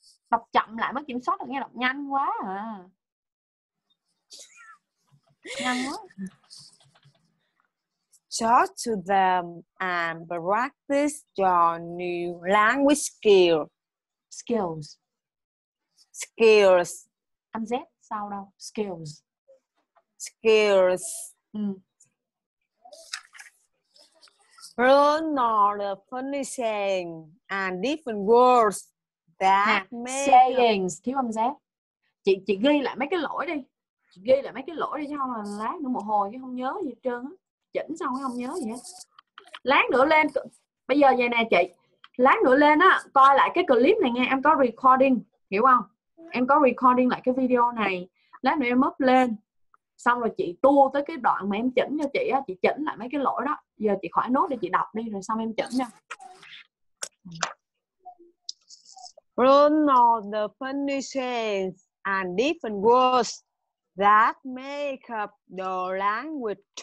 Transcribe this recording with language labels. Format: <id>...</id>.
<vi>Đọc chậm lại mới kiểm soát được nghe, đọc nhanh quá à. Nhanh quá.</vi> <en>Talk to them and practice your new language skills. Skills.</en> <vi>Âm Z sao đâu? Skills.</vi> <en>Skills. Learn all the funny sayings and different words that make</en> <vi>sayings. Thiếu âm Z. Chị ghi lại mấy cái lỗi đi. Chị ghi lại mấy cái lỗi đi chứ không là lát nữa một hồi chứ không nhớ gì hết trơn á. Chỉnh xong không nhớ gì hết. Lát nữa lên. Bây giờ vậy nè chị. Lát nữa lên á, coi lại cái clip này nghe. Em có recording, hiểu không? Em có recording lại cái video này. Lát nữa em up lên. Xong rồi chị tua tới cái đoạn mà em chỉnh cho chị á. Chị chỉnh lại mấy cái lỗi đó. Giờ chị khỏi nốt để chị đọc đi. Rồi xong em chỉnh nha.</vi> <en>Learn all the funny sayings and different words that make up the language.</en>